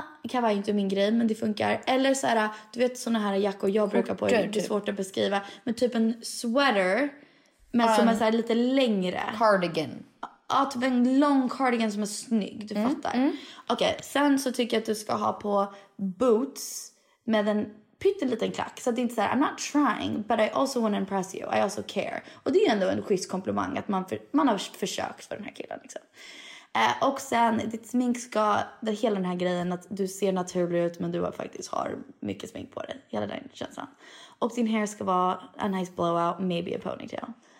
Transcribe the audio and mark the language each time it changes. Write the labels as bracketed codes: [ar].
[sv] Kavaj är inte min grej, men det funkar. Eller så här, du vet såna här jackor jag brukar på, det är svårt att beskriva. Men typ en sweater, men som är så här lite längre. Cardigan. Ja, typ en lång cardigan som är snygg, du fattar. Okej, sen så tycker jag att du ska ha på boots med en pytteliten klack. Så att det inte såhär, [en] I'm not trying, but I also want to impress you. I also care. [sv] Och det är ändå en schysst komplimang att man har försökt för den här killen liksom. Och sen, ditt smink ska, det hela den här grejen att du ser naturlig ut men du faktiskt har mycket smink på dig. Hela den känslan. Och din hair ska vara [en] a nice blowout, maybe a ponytail.